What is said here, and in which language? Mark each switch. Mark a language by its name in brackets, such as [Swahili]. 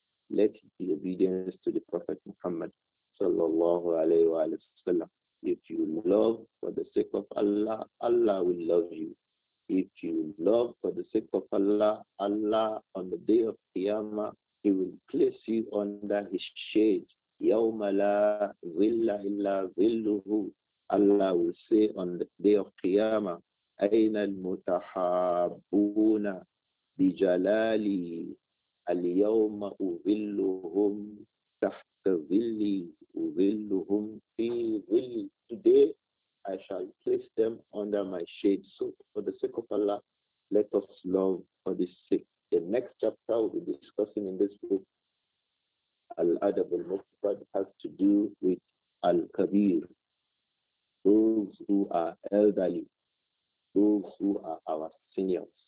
[English] Let it be obedience to the Prophet Muhammad sallallahu alayhi wa sallam. If you love for the sake of Allah, Allah will love you. If you love for the sake of Allah, Allah on the day of Qiyamah, he will place you under his shade. [Arabic] يَوْمَ لَا ظِلَّ إِلَّا ظِلُّهُ. [English] Allah will say on the day of Qiyamah, [Arabic] أَيْنَ الْمُتَحَابُونَ بِجَلَالِي الْيَوْمَ أُظِلُّهُمْ تَحْتَ ظِلِّي أُظِلُّهُمْ فِي ظِلِّي. [English] Today, I shall place them under my shade. So for the sake of Allah, let us love for this sake. The next chapter we'll be discussing in this book, Al-Adab al-Mufrad, has to do with Al-Kabir, those who are elderly, those who are our seniors.